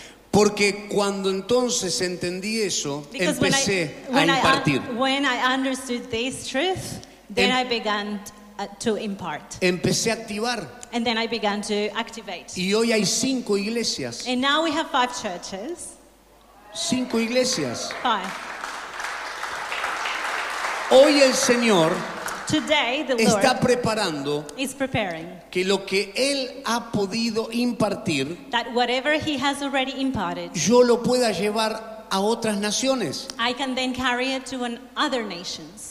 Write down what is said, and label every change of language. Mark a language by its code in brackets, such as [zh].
[es] Porque cuando entonces entendí eso, empecé a impartir. [en] When I understood this truth, then I began to impart. [es] Empecé a activar. [en] And then I began to activate. [es] Y hoy hay cinco iglesias. [en] And now we have five churches. [es] Cinco iglesias. [en] Five. [es] Hoy el Señor [en] today, the Lord [es] está preparando [en] is preparing [es] que lo que Él ha podido impartir, [en] that whatever He has already imparted, [es] yo lo pueda llevar a otras naciones. [en] I can then carry it to other nations.